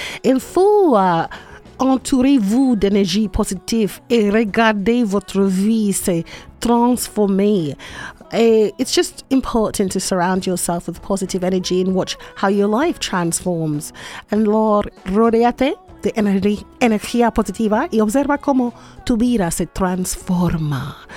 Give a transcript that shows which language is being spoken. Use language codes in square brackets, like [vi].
[fr] Il faut entourez-vous d'énergie positive et regardez votre vie se transformer. [en] It's just important to surround yourself with positive energy and watch how your life transforms. [es] Alors, rodeate de energía positiva y observa cómo tu vida se transforma.